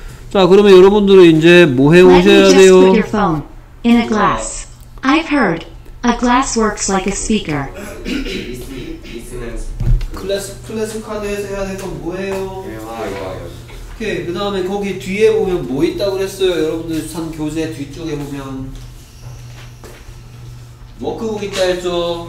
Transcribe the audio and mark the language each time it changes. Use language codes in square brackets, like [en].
[ko] 자, 그러면 여러분들은 이제 뭐 해 오셔야 돼요? [en] Let me just put your phone in a glass. I've heard a glass works like a speaker. [ko] 클래스 카드에서 해야 될 건 뭐예요? 대화. 오케이. 그 다음에 거기 뒤에 보면 뭐 있다고 그랬어요? 여러분들 산 교재 뒤쪽에 보면 워크북 있다 했죠?